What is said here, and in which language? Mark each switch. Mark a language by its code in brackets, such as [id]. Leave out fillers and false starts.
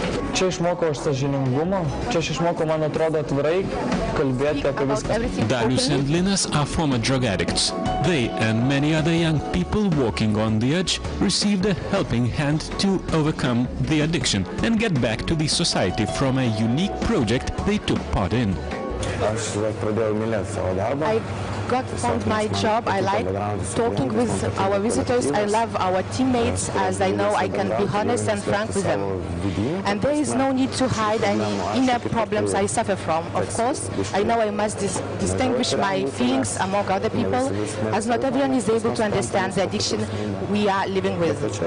[lt] Čia išmokau aš sąžiningumą, čia aš išmokau, man atrodo, atvirai kalbėti apie viską. [en] Darius and Linas are former drug addicts. They and many other young people walking on the edge received a helping hand to overcome the addiction and get back to the society from a unique project they took part in. [lt] Aš pradėjau mylėti savo darbą. [en] Found my job. I like talking with our visitors. I love our teammates, as I know I can be honest and frank with them. And there is no need to hide any inner problems I suffer from. Of course, I know I must distinguish my feelings among other people, as not everyone is able to understand the addiction we are living with.